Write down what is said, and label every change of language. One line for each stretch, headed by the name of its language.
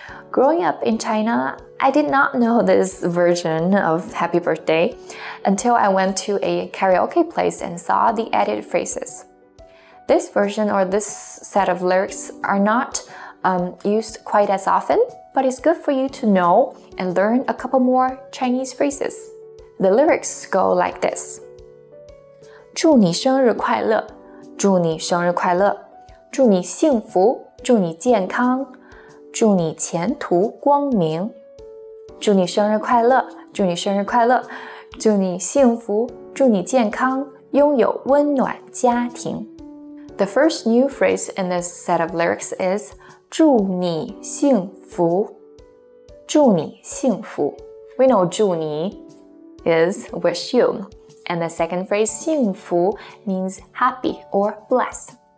English: Growing up in China, I did not know this version of Happy Birthday until I went to a karaoke place and saw the edited phrases. This version or this set of lyrics are not used quite as often, but it's good for you to know and learn a couple more Chinese phrases. The lyrics go like this.
Chinese: 祝你生日快乐，祝你生日快乐，祝你幸福，祝你健康，祝你前途光明。祝你生日快乐，祝你生日快乐，祝你幸福，祝你健康，拥有温暖家庭。
English: The first new phrase in this set of lyrics is
Chinese: 祝你幸福。祝你幸福。
English: We know 祝你 is wish you. And the second phrase 幸福 means happy or blessed.